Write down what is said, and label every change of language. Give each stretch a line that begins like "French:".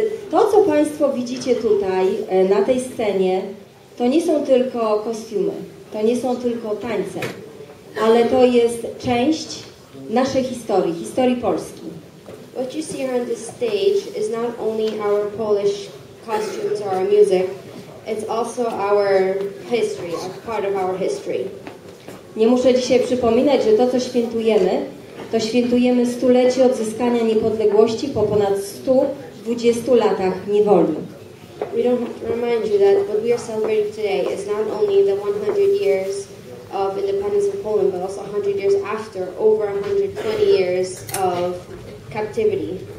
Polish: To, co Państwo widzicie tutaj, na tej scenie, to nie są tylko kostiumy, to nie są tylko tańce, ale to jest część naszej historii, historii Polski.
English: What you see here on this stage is not only our Polish costumes or our music, it's also our history, part of our history.
Polish: Nie muszę dzisiaj przypominać, że to, co świętujemy, to świętujemy stulecie odzyskania niepodległości po ponad 120 latach niewoli.
English: We don't have to remind you that what we are celebrating today is not only the 100 years of independence of Poland, but also 100 years after, over 120 years of captivity.